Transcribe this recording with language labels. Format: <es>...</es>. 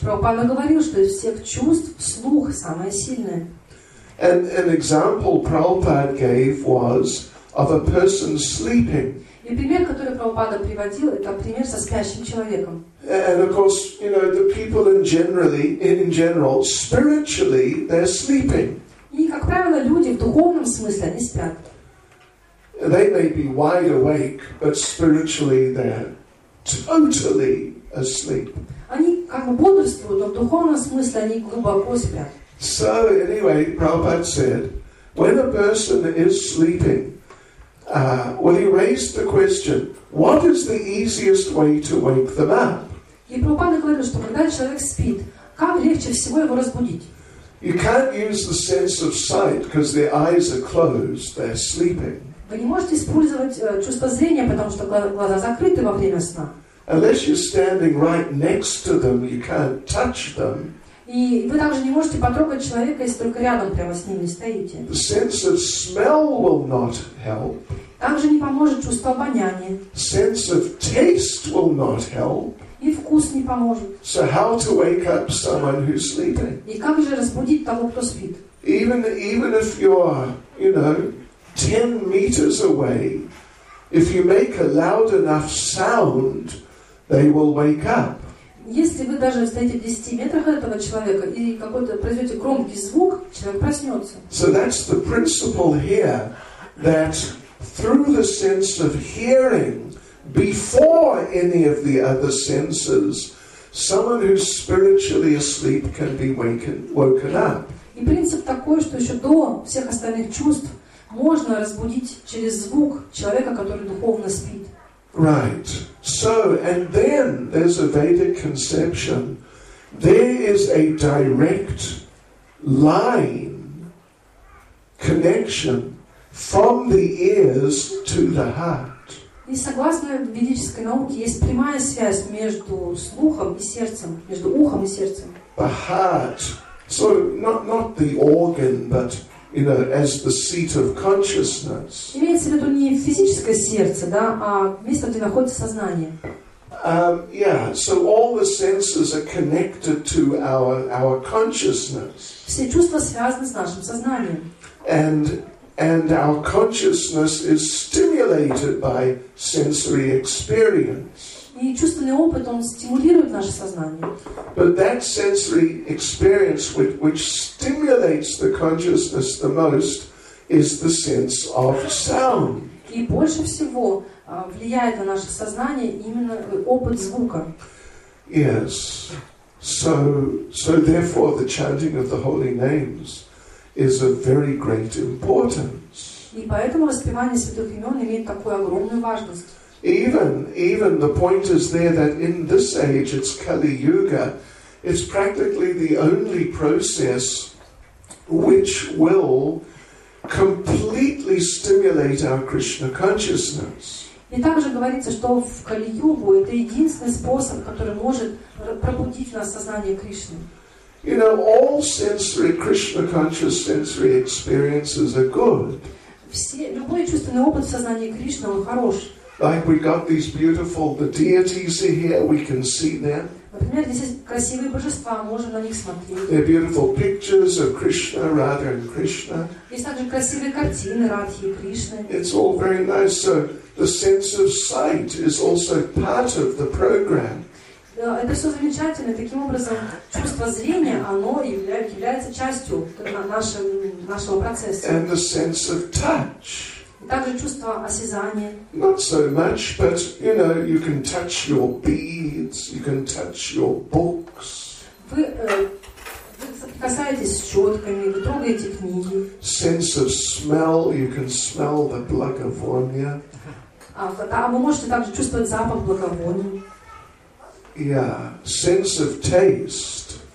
<ru>Прабхупада говорил, что из всех чувств слух самое сильное.</ru> <en>An example Prabhupada gave was of a person sleeping.</en> <ru>И пример, который Прабхупада приводил, это пример со спящим человеком.</ru> <en>And of course, you know, the people in general, spiritually, they're sleeping.</en> <ru>как правило, люди в духовном смысле они спят.</ru> <en>They may be wide awake, but spiritually they're totally asleep.</en> <ru>Они как бы бодрствуют, но в духовном смысле они глубоко спят.</ru> <en>So anyway, Prabhupada said, when a person is sleeping, well, he raised the question, what is the easiest way to wake them up?</en> <ru>И Прабхупада говорил, что когда человек спит, как легче всего его разбудить?</ru> <en>You can't use the sense of sight because their eyes are closed, they're sleeping.</en> <ru>Вы не можете использовать чувство зрения, потому что глаза закрыты во время сна.</ru> <en>Unless you're standing right next to them, you can't touch them.</en> <ru>И вы также не можете потрогать человека, если только рядом прямо с ним не стоите.</ru> <en>The sense of smell will not help.</en> <ru>Также не поможет чувство обоняния.</ru> <en>Sense of taste will not help.</en> <ru>И вкус не поможет.</ru> <en>So how to wake up someone who's sleeping?</en> <ru>И как же разбудить того, кто спит?</ru> <en>Even if you're, you know, 10 meters away, if you make a loud enough sound, they will wake up.</en> <ru>Если вы даже стоите в 10 метрах от этого человека и какой-то произведете громкий звук, человек проснется.</ru> <en>So that's the principle here, that through the sense of hearing, before any of the other senses, someone who's spiritually asleep can be woken up.</en> <ru>И принцип такой, что еще до всех остальных чувств можно разбудить через звук человека, который духовно спит.</ru> <en>Right. So, and then there's a Vedic conception. There is a direct line connection from the ears to the heart.</en> <ru>И согласно ведической науке, есть прямая связь между слухом и сердцем, между ухом и сердцем.</ru> <en>The heart. So, not the organ, but, you know, as the seat of consciousness.</en> <ru>Имеется в виду не физическое сердце, да, а место, где находится сознание.</ru> <en>So all the senses are connected to our consciousness.</en> <ru>Все чувства связаны с нашим сознанием.</ru> <en>And our consciousness is stimulated by sensory experience.</en> <ru>И чувственный опыт, он стимулирует наше сознание.</ru> <en>But that sensory experience which stimulates the consciousness the most is the sense of sound.</en> <ru>И больше всего влияет на наше сознание именно опыт звука.</ru> <en>Yes. So therefore the chanting of the holy names is of very great importance.</en> <ru>И поэтому распевание святых имен имеет такую огромную важность.</ru> <en>Even the point is there that in this age, it's Kali Yuga, it's practically the only process which will completely stimulate our Krishna consciousness.</en> <ru>И также говорится, что в Кали-Югу это единственный способ, который может пробудить в нас сознание Кришны.</ru> <en>You know, all sensory, Krishna conscious sensory experiences are good.</en> <ru>Любой чувственный опыт в сознании Кришны, он хорош.</ru> <en>Like we got these beautiful, the deities are here, we can see them.</en> <ru>Например, здесь красивые божества, можем на них смотреть.</ru> <en>They're beautiful pictures of Krishna, Radha and Krishna.</en> <ru>Есть также красивые картины Радхи и Кришны.</ru> <en>It's all very nice. So the sense of sight is also part of the program.</en> <ru>Это все замечательно. Таким образом, чувство зрения, оно является частью нашего процесса.</ru> <en>And the sense of touch.</en> <ru>Также чувство осязания.</ru> <en>Not so much, but, you know, you can touch your beads, you can touch your books.</en> <ru>Вы касаетесь щетками, вы трогаете книги.</ru> <en>Sense of smell, you can smell the</en> <ru>благовония. Вы можете также чувствовать запах благовония.</ru> <en>Yeah, sense of taste.</en>